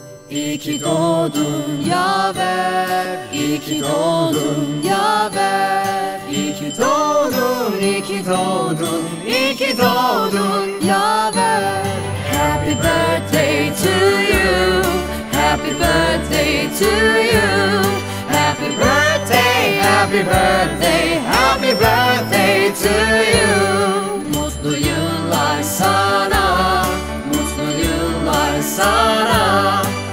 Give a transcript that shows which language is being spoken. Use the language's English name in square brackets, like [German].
[Turkish] İyi ki doğdun Yaver, iyi ki doğdun Yaver, iyi ki doğdun, iyi ki doğdun, iyi ki doğdun Yaver. [English] Happy birthday to you, happy birthday to you, happy birthday, happy birthday, happy birthday to you. [Turkish] Mutlu yıllar sana, mutlu yıllar sana.